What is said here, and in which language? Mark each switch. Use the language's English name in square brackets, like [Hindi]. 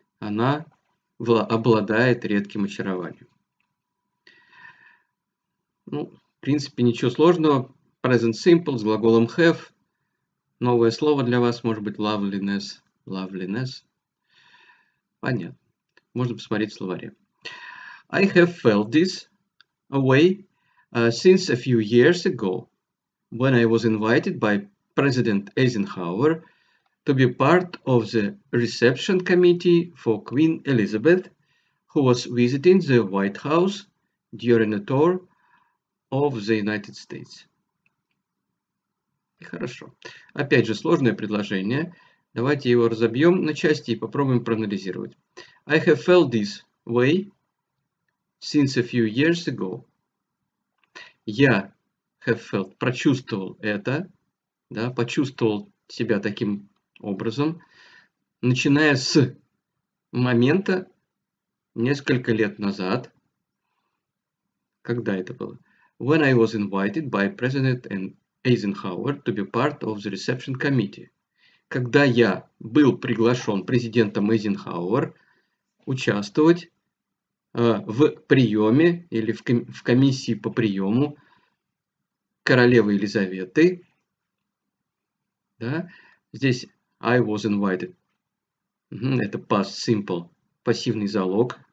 [Russian] Она обладает редким очарованием. Ну, в принципе, ничего сложного. Present simple с глаголом have. Новое слово для вас может быть loveliness. Loveliness. Понятно. Можно посмотреть в словаре. [English] I have felt this way since a few years ago, when I was invited by President Eisenhower to be part of the reception committee for Queen Elizabeth, who was visiting the White House during a tour of the United States. [Russian] Хорошо. Опять же, сложное предложение. Давайте его разобьем на части и попробуем проанализировать. [English] I have felt this way since a few years ago. [Russian] Я have felt, прочувствовал это, да, почувствовал себя таким образом, начиная с момента несколько лет назад, когда это было. [English] When I was invited by President Eisenhower to be part of the reception committee. [Russian] Когда я был приглашен президентом Эйзенхауэр участвовать в приеме или в комиссии по приему королевы Елизаветы. Да? Здесь I was invited. Это past simple, пассивный залог.